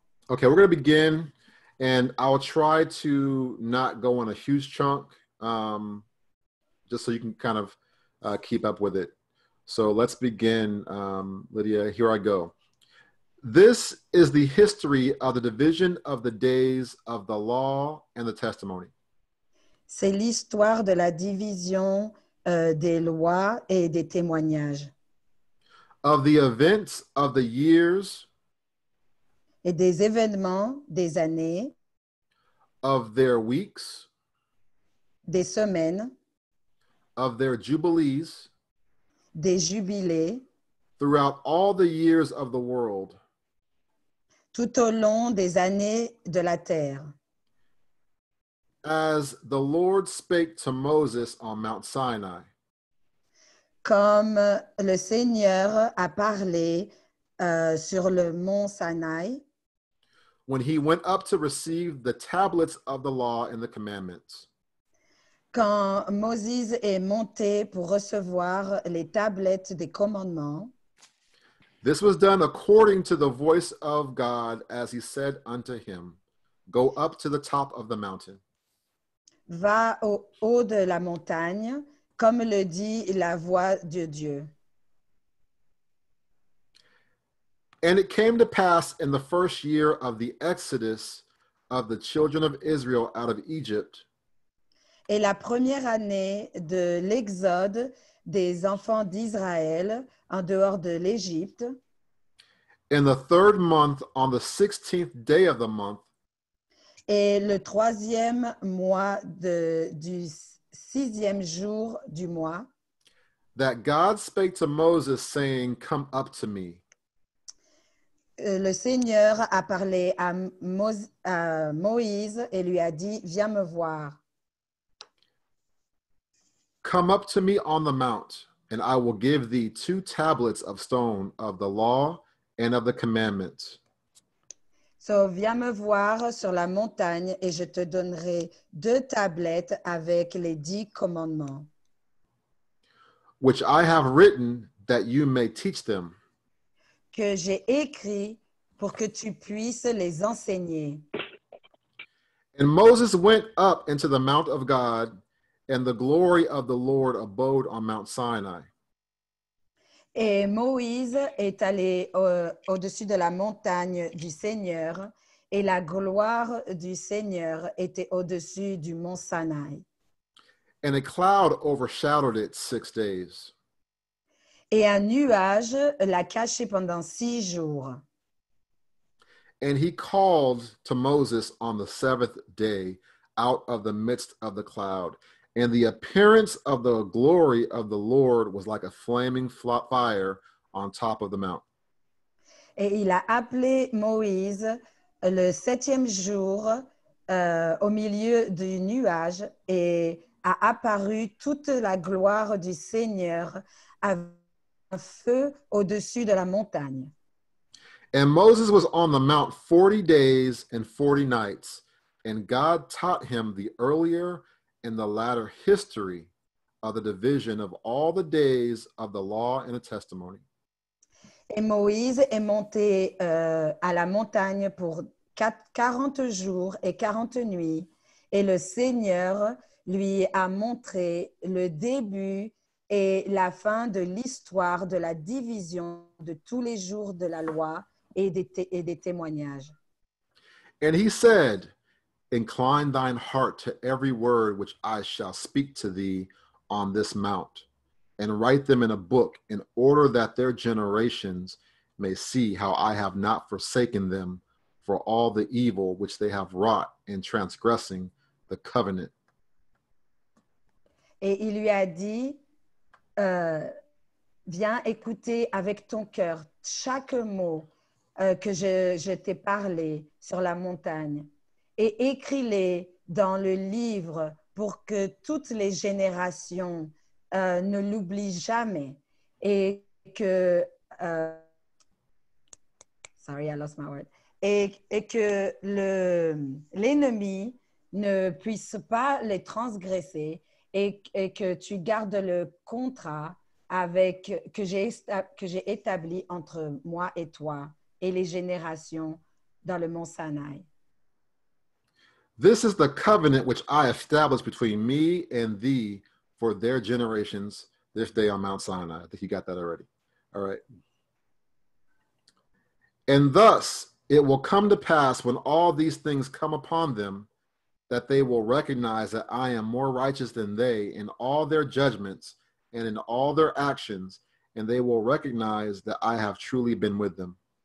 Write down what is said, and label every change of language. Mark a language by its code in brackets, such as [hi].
[en] Okay, we're going to begin, and I'll try to not go on a huge chunk, just so you can kind of keep up with it. So let's begin, Lydia. Here I go. This is the history of the division of the days of the law and the testimony. [fr] C'est l'histoire de la division des lois et des témoignages. [en] Of the events of the years. [fr] Et des événements des années, [en] of their weeks, [fr] des semaines, [en] of their jubilees, [fr] des jubilés, [en] throughout all the years of the world, [fr] tout au long des années de la terre, [en] as the Lord spake to Moses on Mount Sinai, [fr] comme le Seigneur a parlé sur le Mont Sinai. [en] When he went up to receive the tablets of the law and the commandments. [fr] Quand Moses est monté pour recevoir les tablettes des commandements. [en] This was done according to the voice of God as he said unto him, go up to the top of the mountain. [fr] Va au haut de la montagne, comme le dit la voix de Dieu. [en] And it came to pass in the first year of the exodus of the children of Israel out of Egypt. [fr] Et la première année de l'exode des enfants d'Israël en dehors de l'Égypte. [en] In the third month on the 16th day of the month. [fr] Et le troisième mois du sixième jour du mois. [en] That God spake to Moses saying, come up to me. [fr] Le Seigneur a parlé à Moïse et lui a dit, viens me voir. [en] Come up to me on the mount, and I will give thee two tablets of stone of the law and of the commandment. [fr] So, viens me voir sur la montagne, et je te donnerai deux tablettes avec les dix commandements. [en] Which I have written that you may teach them. [fr] Que j'ai écrit pour que tu puisses les enseigner. [en] And Moses went up into the mount of God, and the glory of the Lord abode on Mount Sinai. [fr] Et Moïse est allé au-dessus de la montagne du Seigneur, et la gloire du Seigneur était au-dessus du Mont Sinai. [en] And a cloud overshadowed it 6 days. [fr] Et un nuage l'a caché pendant 6 jours. [en] And he called to Moses on the 7th day out of the midst of the cloud. And the appearance of the glory of the Lord was like a flaming fire on top of the mount. [fr] Et il a appelé Moïse le 7e jour au milieu du nuage et a apparu toute la gloire du Seigneur avec un feu au-dessus de la montagne. [en] And Moses was on the mount 40 days and 40 nights, and God taught him the earlier in the latter history of the division of all the days of the law and a testimony. [fr] Et Moïse est monté à la montagne pour 40 jours et 40 nuits, et le Seigneur lui a montré le début et la fin de l'histoire de la division de tous les jours de la loi et des témoignages. [en] And he said, incline thine heart to every word which I shall speak to thee on this mount, and write them in a book, in order that their generations may see how I have not forsaken them for all the evil which they have wrought in transgressing the covenant. [fr] Et il lui a dit, viens écouter avec ton cœur chaque mot que je t'ai parlé sur la montagne. Et écris-les dans le livre pour que toutes les générations ne l'oublient jamais. Et que, l'ennemi ne puisse pas les transgresser et que tu gardes le contrat que j'ai établi entre moi et toi et les générations dans le Mont Sinaï. [en] This is the covenant which I established between me and thee for their generations this day on Mount Sinai. I think you got that already. All right. And thus it will come to pass when all these things come upon them that they will recognize that I am more righteous than they in all their judgments and in all their actions, and they will recognize that I have truly been with them.